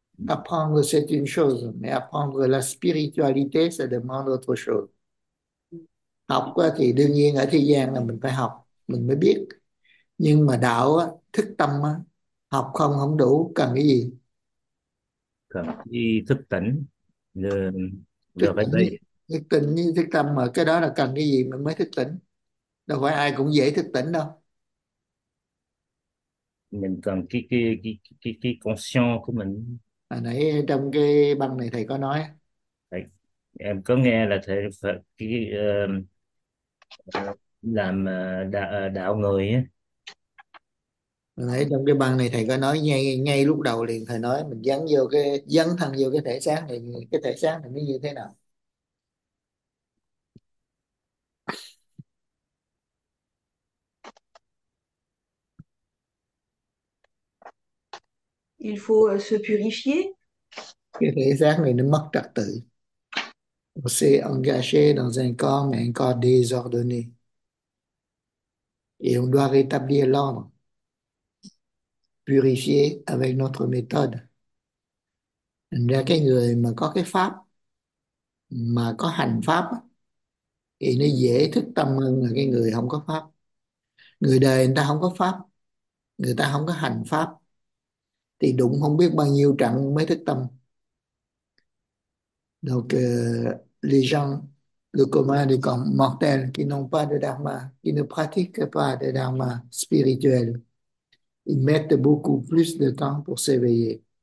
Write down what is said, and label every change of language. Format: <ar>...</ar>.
<fr>Apprendre, c'est une chose, mais apprendre la spiritualité, ça demande autre chose.</fr> <vi>Học quá thì đương nhiên ở thế gian là mình phải học, mình mới biết. Nhưng mà đạo á, thức tâm á, học không không đủ, cần cái gì? Cần đi thức tỉnh là Thức phải tỉnh, thức tỉnh, thức tâm, mà cái đó là cần cái gì mình mới thức tỉnh. Đâu phải ai cũng dễ thức tỉnh đâu. mình cần cái conscience của mình. À, nãy trong cái băng này thầy có nói Em có nghe là thầy Phật làm đạo người á. nãy trong cái băng này thầy có nói ngay ngay lúc đầu liền, thầy nói mình dấn thân vô cái thể xác này, cái thể xác này nó như thế nào.</vi> <fr>Il faut se purifier.</fr> <vi>Cái thể xác này nó mất trật tự.</vi> <fr>On s'est engagé dans un corps, mais un corps désordonné. Et on doit rétablir l'ordre. Purifier avec notre méthode.</fr> <vi>Thành ra cái người mà có cái pháp, mà có hành pháp, thì nó dễ thức tâm hơn là cái người không có pháp. Người đời người ta không có pháp, người ta không có hành pháp, thì đụng không biết bao nhiêu trận mới thức tâm.</vi> <fr>Donc, les gens, le commun des mortels qui n'ont pas de dharma, qui ne pratiquent pas de dharma spirituel, ils mettent beaucoup plus de temps pour s'éveiller.</fr>